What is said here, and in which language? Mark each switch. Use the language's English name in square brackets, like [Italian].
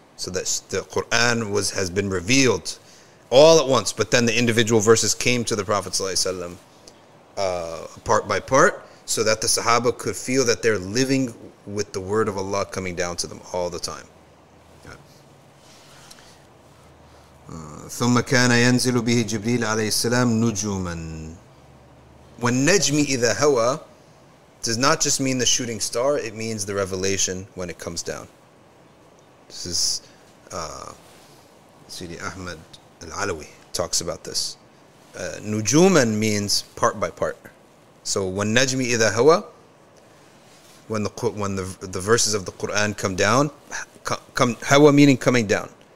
[English] So that the Quran has been revealed all at once, but then the individual verses came to the Prophet sallallahu alaihi wasallam part by part, so that the sahaba could feel that they're living with the word of Allah coming down to them all the time. [Arabic] ثم كان ينزل به جبريل عليه السلام نجوما. [English] When najmi idha hawa does not just mean the shooting star, it means the revelation when it comes down. This is Sidi Ahmad al-Alawi talks about this. Nujuman means part by part. So when najmi idha hawa, when the verses of the Quran come down, come hawa meaning coming down.